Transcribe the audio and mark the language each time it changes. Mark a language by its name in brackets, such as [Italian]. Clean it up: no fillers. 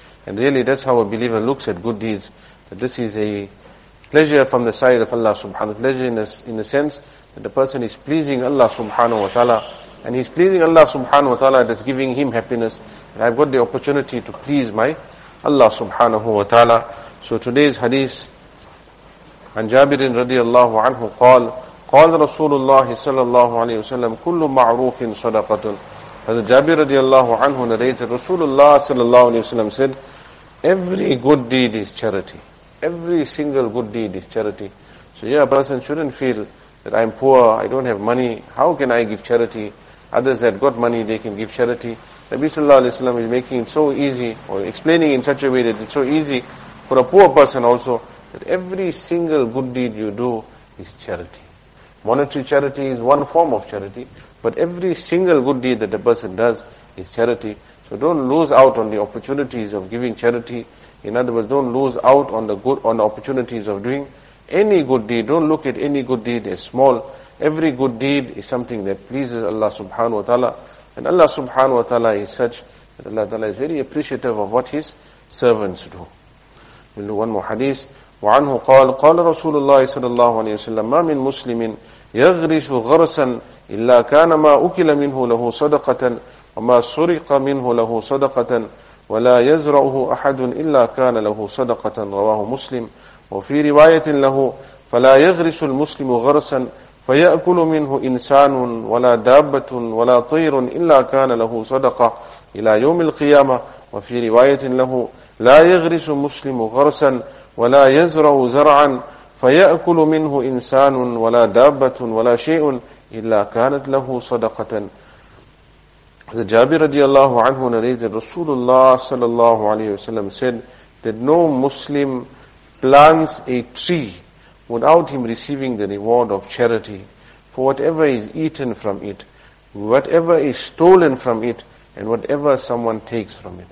[English] And really that's how a believer looks at good deeds, that this is a pleasure from the side of Allah subhanahu wa ta'ala. Pleasure in the sense that the person is pleasing Allah subhanahu wa ta'ala. And he's pleasing Allah subhanahu wa ta'ala, that's giving him happiness. And I've got the opportunity to please my Allah subhanahu wa ta'ala. So today's hadith, [Arabic] عن جابر رضي الله عنه قال, قال رسول الله صلى الله عليه وسلم, كل معروف صدقة. [English] Hazrat Jabir رضي الله عنه narrated, Rasulullah صلى الله عليه وسلم said, every good deed is charity. Every single good deed is charity. So yeah, a person shouldn't feel that I'm poor, I don't have money, how can I give charity? Others that got money, they can give charity. Nabi sallallahu alayhi wa sallam is making it so easy, or explaining in such a way that it's so easy for a poor person also, that every single good deed you do is charity. Monetary charity is one form of charity, but every single good deed that a person does is charity. So don't lose out on the opportunities of giving charity. In other words, don't lose out on the good, on the opportunities of doing any good deed. Don't look at any good deed as small. Every good deed is something that pleases Allah subhanahu wa ta'ala. And Allah subhanahu wa ta'ala is such that Allah ta'ala is very appreciative of what His servants do. We'll do one more hadith. [Arabic] وَعَنْهُ قَالَ قَالَ رَسُولُ اللَّهِ صَلَى اللَّهُ عَلَيْهِ وَسَلَّمَ مَا مِن مُسْلِمٍ يَغْرِسُ غَرْسًا إِلَّا كَانَ مَا أُكِلَ مِنْهُ لَهُ صَدَقَةً وَمَا سُرِقَ مِنْهُ لَهُ صَدَقَةً وَلَا يَزْرَعُهُ أَحَدٌ إِلَّا كَانَ لَهُ صَدَقَةً رواه مسلم وفي رواية له فلا يغرس المسلم غرسا فيأكل منه إنسان ولا دابة ولا طير إلا كان له صدقة إلى يوم القيامة وفي رواية له لا يغرس المسلم غرسا ولا يزرع زرعا فيأكل منه إنسان ولا دابة ولا شيء إلا كانت له صدقة. [English] The Jabir radiallahu anhu narrated, Rasulullah sallallahu alayhi wa sallam said that no Muslim plants a tree without him receiving the reward of charity for whatever is eaten from it, whatever is stolen from it, and whatever someone takes from it.